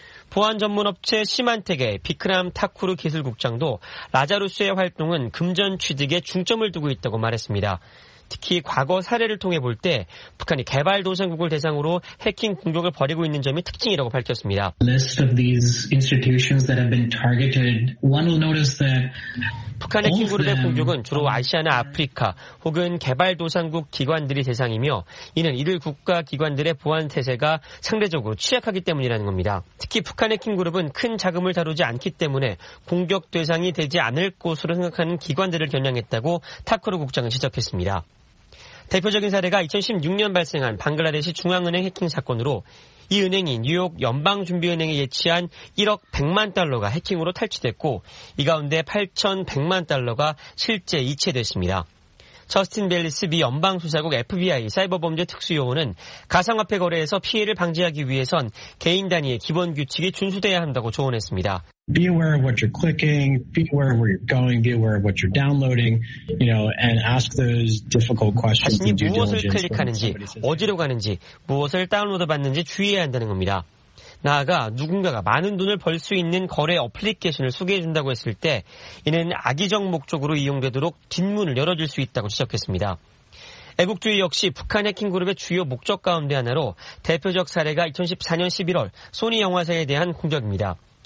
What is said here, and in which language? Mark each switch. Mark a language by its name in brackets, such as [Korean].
[Korean] 보안 전문업체 시만텍의 비크람 타쿠르 기술국장도 라자루스의 활동은 금전 취득에 중점을 두고 있다고 말했습니다. 특히 과거 사례를 통해 볼 때 북한이 개발 도상국을 대상으로 해킹 공격을 벌이고 있는 점이 특징이라고 밝혔습니다. [English] List of these institutions that have been targeted. One will notice that [Korean] 북한 해킹 그룹의 공격은 주로 아시아나 아프리카 혹은 개발 도상국 기관들이 대상이며 이는 이들 국가 기관들의 보안 태세가 상대적으로 취약하기 때문이라는 겁니다. 특히 북한 해킹 그룹은 큰 자금을 다루지 않기 때문에 공격 대상이 되지 않을 것으로 생각하는 기관들을 겨냥했다고 타크루 국장은 지적했습니다. 대표적인 사례가 2016년 발생한 방글라데시 중앙은행 해킹 사건으로 이 은행이 뉴욕 연방준비은행에 예치한 1억 100만 달러가 해킹으로 탈취됐고 이 가운데 8,100만 달러가 실제 이체됐습니다. 저스틴 벨리스 미 연방수사국 FBI 사이버범죄특수요원은 가상화폐 거래에서 피해를 방지하기 위해선 개인 단위의 기본 규칙이 준수돼야 한다고 조언했습니다. [English] Be aware of what you're clicking, be aware of where you're going, be aware of what you're downloading, you know, and ask those difficult questions. [Korean] 자신이 무엇을 클릭하는지, 어디로 가는지, 무엇을 다운로드 받는지 주의해야 한다는 겁니다. 나아가 누군가가 많은 돈을 벌 수 있는 거래 어플리케이션을 소개해준다고 했을 때 이는 악의적 목적으로 이용되도록 뒷문을 열어줄 수 있다고 지적했습니다. 애국주의 역시 북한 해킹 그룹의 주요 목적 가운데 하나로 대표적 사례가 2014년 11월 소니 영화사에 대한 공격입니다.